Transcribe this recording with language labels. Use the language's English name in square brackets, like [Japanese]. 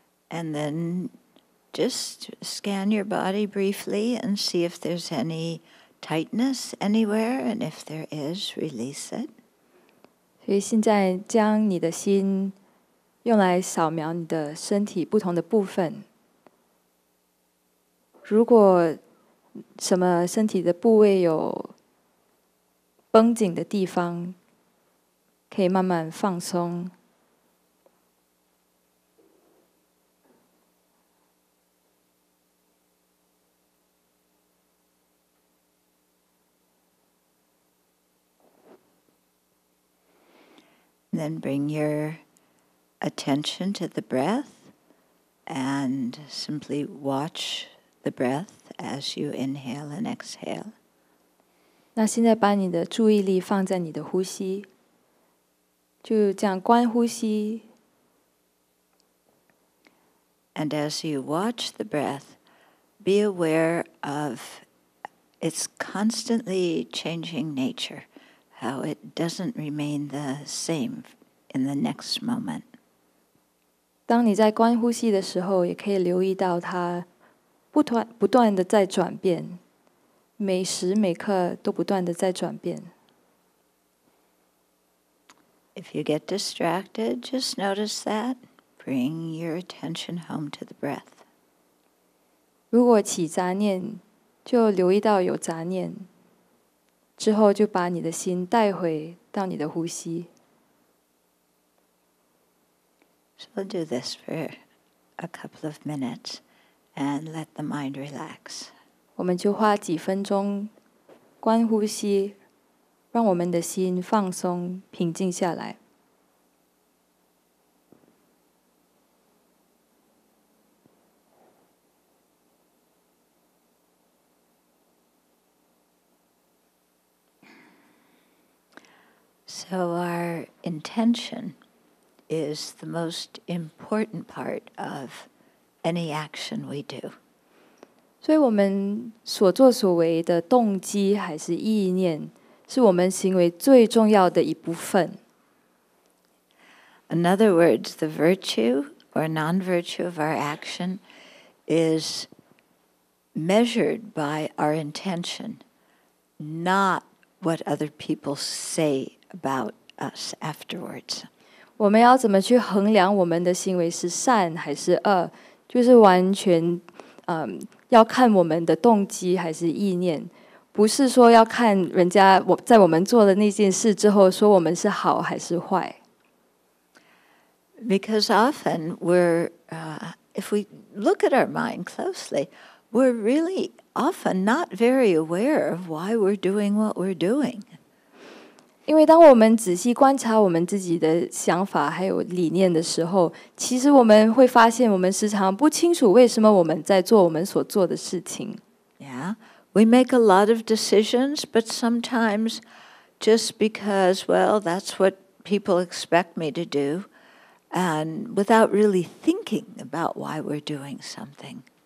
[English] And then just scan your body briefly and see if there's any tightness anywhere. And if there is, release it. [Chinese] 所以现在将你的心用来扫描你的身体不同的部分。如果什么身体的部位有绷紧的地方，可以慢慢放松。 [English] Then bring your attention to the breath and simply watch the breath as you inhale and exhale. [Chinese] 那现在把你的注意力放在你的呼吸，就这样观呼吸。 [English] And as you watch the breath, be aware of its constantly changing nature, how it doesn't remain the same. In the next moment. [Chinese] 当你在观呼吸的时候，也可以留意到它不断的在转变，每时每刻都不断的在转变。 [English] If you get distracted, just notice that. Bring your attention home to the breath. [Chinese] 如果起杂念，就留意到有杂念，之后就把你的心带回到你的呼吸。 [English] So we'll do this for a couple of minutes and let the mind relax. [Chinese] 我们就花几分钟观呼吸，让我们的心放松，平静下来。 [English] So our intention is the most important part of any action we do. [Chinese] 所以我们所作所为的动机还是意念，是我们行为最重要的一部分。 [English] In other words, the virtue or non-virtue of our action is measured by our intention, not what other people say about us afterwards. [Chinese] 我们要怎么去衡量我们的行为是善还是恶，就是完全要看我们的动机还是意念，不是说要看人家在我们做的那件事之后说我们是好还是坏。 [English] Because often we're, if we look at our mind closely, we're really often not very aware of why we're doing what we're doing. [Chinese] 因为当我们仔细观察我们自己的想法还有理念的时候，其实我们会发现我们时常不清楚为什么我们在做我们所做的事情。 [English] Yeah, we make a lot of decisions, but sometimes just because, well, that's what people expect me to do, and without really thinking about why we're doing something.